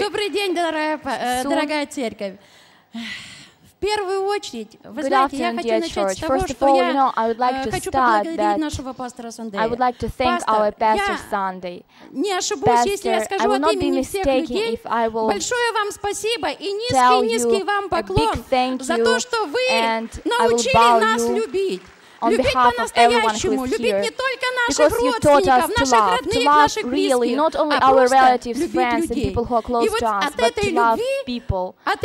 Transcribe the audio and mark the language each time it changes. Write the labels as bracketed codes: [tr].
[ru] Добрый день, дорогая церковь. В первую очередь, вы знаете, я хочу начать с того, что я хочу поблагодарить нашего пастора Сандея. [en] I would like to thank our pastor Sunday. [ru] Не ошибусь, если я скажу от имени всех людей. Большое вам спасибо и низкий вам поклон за то, что вы научили нас любить. [en] On behalf of everyone who is here, because you taught us to love really, not only our relatives, friends, and people who are close to us, but to love people.